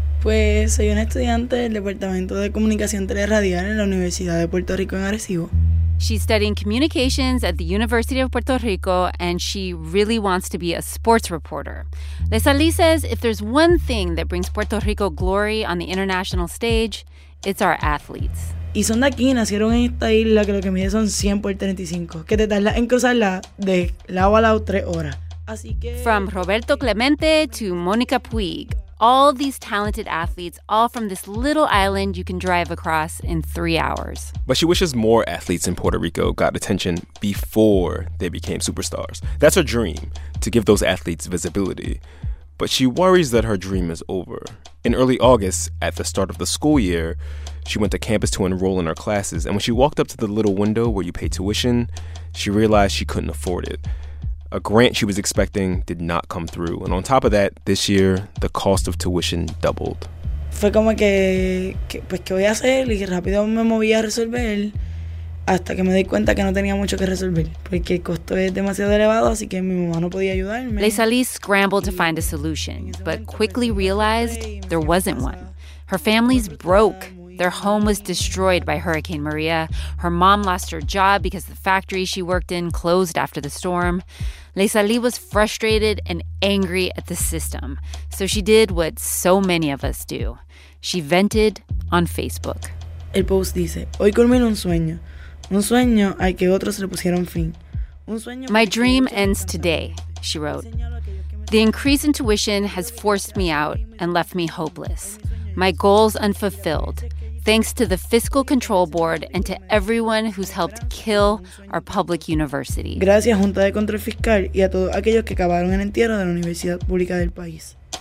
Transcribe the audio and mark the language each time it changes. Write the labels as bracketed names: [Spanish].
[Spanish] Pues soy una estudiante del Departamento de Comunicación Teleradial en la Universidad de Puerto Rico en Arecibo. [English] She's studying communications at the University of Puerto Rico, and she really wants to be a sports reporter. Lesalí says if there's one thing that brings Puerto Rico glory on the international stage, it's our athletes. [Spanish] Y son de aquí, nacieron en esta isla que lo que mide son 100 por 35, que te tarda en cruzarla de lado a lado 3 horas. Así que... [English] From Roberto Clemente to Mónica Puig, all these talented athletes, all from this little island you can drive across in 3 hours. But she wishes more athletes in Puerto Rico got attention before they became superstars. That's her dream, to give those athletes visibility. But she worries that her dream is over. In early August, at the start of the school year, she went to campus to enroll in her classes. And when she walked up to the little window where you pay tuition, she realized she couldn't afford it. A grant she was expecting did not come through. And on top of that, this year, the cost of tuition doubled. [Spanish] Fue como que pues, ¿qué voy a hacer? Y rápido me moví a resolver hasta que me di cuenta que no tenía mucho que resolver. Porque el costo es demasiado elevado, así que mi mamá no podía ayudarme. [English] Lesalí scrambled to find a solution, but quickly realized there wasn't one. Her family's broke. Their home was destroyed by Hurricane Maria. Her mom lost her job because the factory she worked in closed after the storm. Lesalí was frustrated and angry at the system. So she did what so many of us do. She vented on Facebook. [Spanish] El post dice, hoy culmino un sueño. Un sueño al que otros le pusieron fin. Un sueño. [English] My dream ends today, she wrote. The increase in tuition has forced me out and left me hopeless. My goals unfulfilled. Thanks to the Fiscal Control Board and to everyone who's helped kill our public university. [Spanish] Gracias, Junta de Control Fiscal, y a todos aquellos que acabaron el entierro de la Universidad Pública del País.